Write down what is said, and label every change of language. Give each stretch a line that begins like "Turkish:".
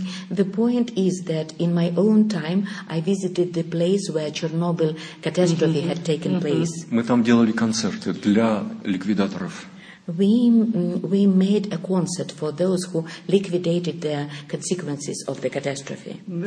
English: The point is that in my own time I visited the place where Chernobyl catastrophe had taken place.
Russian: Мы там делали концерты для ликвидаторов.
English: We made a concert for those who liquidated the consequences of the catastrophe.